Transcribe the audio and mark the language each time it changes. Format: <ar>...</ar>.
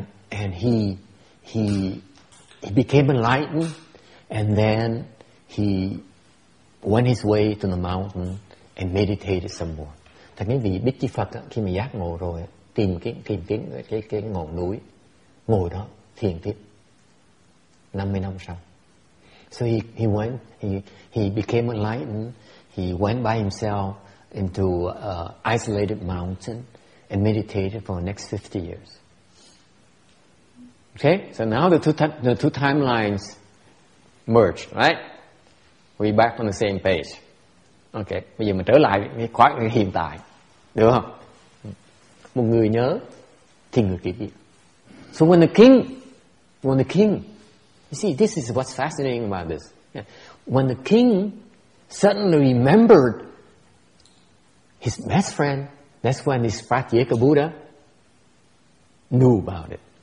<en>And he became enlightened, and then he went his way to the mountain and meditated some more.</en> <vi>Thật cái vị Bích Chi Phật khi mà giác ngộ rồi, tìm cái thiền tiến cái ngọn núi, ngồi đó thiền tiếp 50 năm sau.</vi> <en>So he became enlightened. He went by himself into a isolated mountain and meditated for the next 50 years. Okay, so now the two timelines merge, right? We back on the same page.</en> <vi>Okay, bây giờ mình trở lại cái khoảng cái hiện tại, được không? Một người nhớ thì người kia biết.</vi> <en>So when the king, you see, this is what's fascinating about this. Yeah. When the king suddenly remembered his best friend, that's when his Pratyeka Buddha knew about it.</en>